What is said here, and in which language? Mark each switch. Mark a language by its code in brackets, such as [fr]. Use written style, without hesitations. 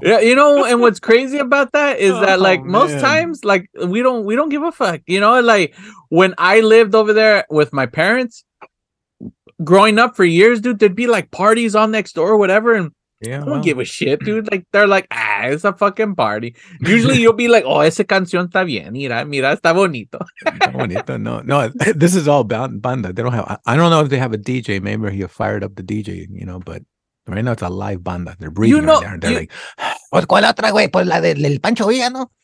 [en] Yeah, you know, and what's crazy about that is that, like, most times, like, we don't give a fuck, you know? Like, when I lived over there with my parents, growing up for years, dude, there'd be, like, parties on next door or whatever, and yeah, don't give a shit, dude. Like, they're like, it's a fucking party. Usually you'll be like, oh, [es] esa canción está bien. Mira, está bonito. [en] Bonito. No, this is all banda. They don't have, I don't know if they have a DJ. Maybe he fired up the DJ, you know, but right now it's a live banda. They're breathing. You know, they're like, [es] Pues cuál otra, güey, pues la del Pancho Villa, ¿no?